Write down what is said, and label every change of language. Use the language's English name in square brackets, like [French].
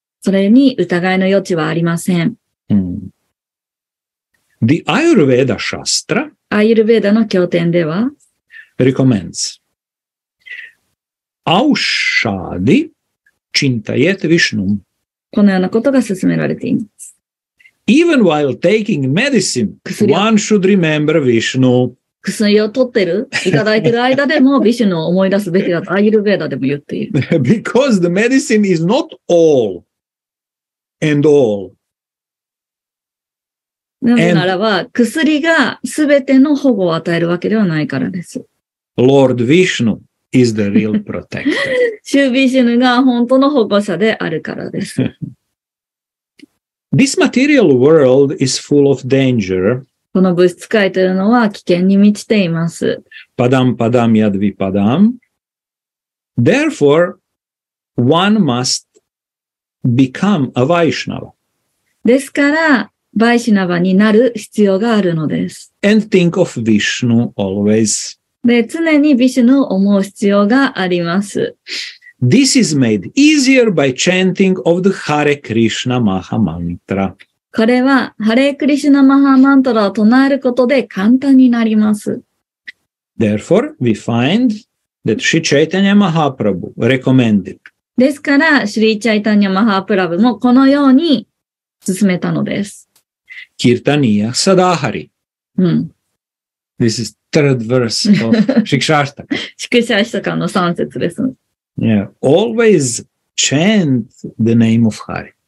[Japanese] それに疑いの余地はありません。 [English] The Ayurveda Shastra, [Japanese] Ayurveda の経典では、 [English] recommends, [Sanskrit] Aushadi Chintayet Vishnum. [Japanese] このようなことが勧められています。 [English] Even while taking medicine, one should remember Vishnu. [Japanese] 薬を取ってる、いただいてる間でも、ヴィシュヌを思い出すべきだと、アーユルヴェーダでも言っている。 [English] Because the medicine is not all and all. [Japanese] なぜならば、薬がすべての保護を与えるわけではないからです。 [English] Lord Vishnu is the real protector. [Japanese] シュー・ヴィシュヌが本当の保護者であるからです。 [English] This material world is full of danger. [Japanese] この物質界というのは危険に満ちています。 [Sanskrit] パダンパダミアドヴィパダン。 [English] Therefore, one must become a Vaishnava. [Japanese] ですから、ヴァイシナヴァになる必要があるのです。 [English] And think of Vishnu always. [Japanese] で、常にビシュヌを思う必要があります。 [English] This is made easier by chanting of the Hare Krishna Maha Mantra. [Japanese] これは、ハレクリシュナマハマントラを唱えることで簡単になります。 [English] Therefore, we find that Sri Chaitanya Mahaprabhu recommended. [Japanese] ですから、シュリー・チャイタニア・マハプラブもこのように勧めたのです。 [Sanskrit] キルタニア・サダハリ。うん。 [English] This is third verse of Shikshashtaka. [Japanese] Shikshashtaka の三節です。 [English] Yeah, always chant the name of Hari.